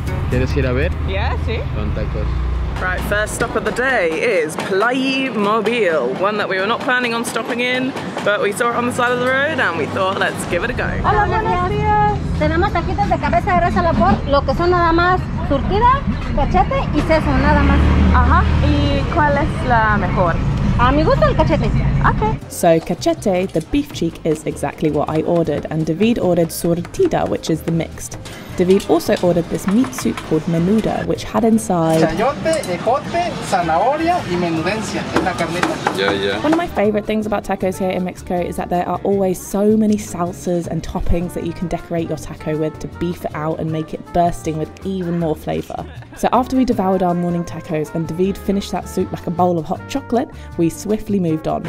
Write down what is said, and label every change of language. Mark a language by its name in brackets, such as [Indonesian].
[Spanish] ¿Quieres ir a ver? [English] Yeah, sí. [Spanish] Con tacos. [English] Right, first stop of the day is Playa Mobil, one that we were not planning on stopping in, but we saw it on the side of the road and we thought, let's give it a go. [Spanish] Hola, buenos días. Tenemos taquitos de cabeza de res a la por, lo que son nada más surtida, cachete y seso, nada más. Ajá, ¿y cuál es la mejor? A mi gusto el cachete. [English] Okay. So cachete, the beef cheek, is exactly what I ordered, and David ordered surtida, which is the mixed. David also ordered this meat soup called menuda, which had inside [Spanish] chayote, ejote, zanahoria y menudencia en la carnita. [English] Yeah. One of my favorite things about tacos here in Mexico is that there are always so many salsas and toppings that you can decorate your taco with to beef it out and make it bursting with even more flavor. So after we devoured our morning tacos and David finished that soup like a bowl of hot chocolate, we swiftly moved on.